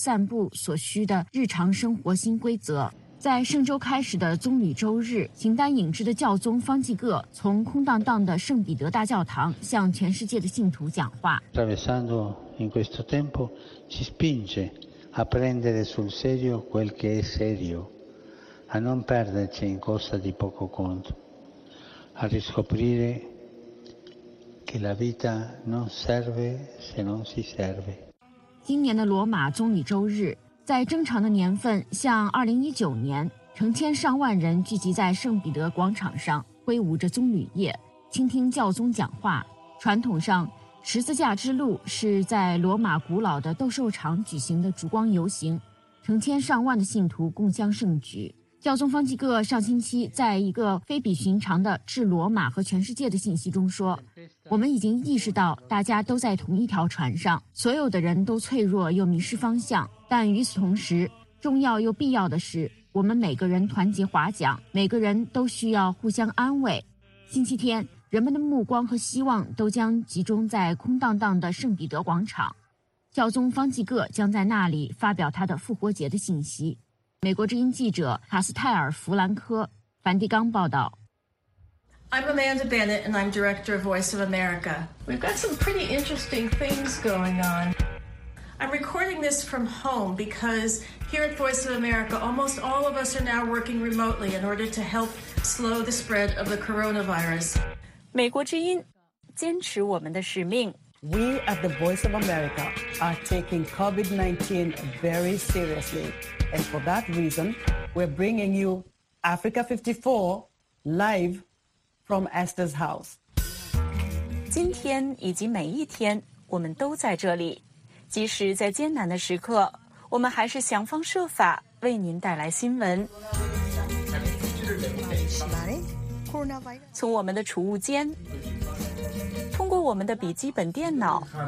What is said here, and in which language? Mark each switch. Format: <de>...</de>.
<zh>由于新冠病毒的爆发，永恒之城罗马今年的圣周没有塞车，空旷的广场没有游客，像梦境一样，没有人想象得到。在通常人潮熙来攘往的罗马著名的地标，像莱特维喷泉和罗马斗兽场，时间仿佛停顿了。罗马市长维吉尼亚拉吉表示，罗马人正在认真对待为了阻止致命病毒散布所需的日常生活新规则。在圣周开始的棕榈周日，形单影只的教宗方济各从空荡荡的圣彼得大教堂向全世界的信徒讲话。</zh> <it>Attraversando in questo tempo ci spinge a prendere sul serio quel che è serio, a non perderci in cose di poco conto, a riscoprire che la vita non serve se non si serve.</it> <zh>今年的罗马棕榈周日，在正常的年份，像2019年。成千上万人聚集在圣彼得广场上，挥舞着棕榈叶，倾听教宗讲话。传统上，十字架之路是在罗马古老的斗兽场举行的烛光游行，成千上万的信徒共襄盛举。教宗方济各上星期在一个非比寻常的致罗马和全世界的信息中说，我们已经意识到大家都在同一条船上，所有的人都脆弱又迷失方向，但与此同时，重要又必要的是我们每个人团结划桨，每个人都需要互相安慰。星期天，人们的目光和希望都将集中在空荡荡的圣彼得广场，教宗方济各将在那里发表他的复活节的信息。美国之音记者卡斯泰尔·弗兰科，梵蒂冈报道。</zh> <en>I'm Amanda Bennett, and I'm director of Voice of America. We've got some pretty interesting things going on. I'm recording this from home because here at Voice of America, almost all of us are now working remotely in order to help slow the spread of the coronavirus.</en> <zh>美国之音，坚持我们的使命。</zh> <en>We at the Voice of America are taking COVID-19 very seriously. And for that reason, we're bringing you Africa 54 live from Esther's house.</en> <zh>今天以及每一天，我们都在这里。即使在艰难的时刻，我们还是想方设法为您带来新闻。从我们的储物间，通过我们的笔记本电脑。</zh>